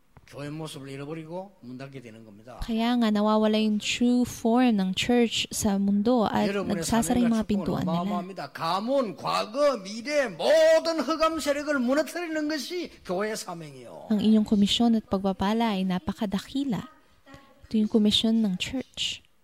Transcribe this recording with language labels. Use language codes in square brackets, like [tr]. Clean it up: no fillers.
[tl] Kaya nga, nawawala yung true form ng church sa mundo at nagsasara yung mga pintuan nila. [ko] Gamon, 과거, 미래, 모든 흑암 세력을 무너뜨리는 것이 교회의 사명이요. [tl] Ang inyong komisyon at pagpapala ay napakadakila. Ito yung komisyon ng church.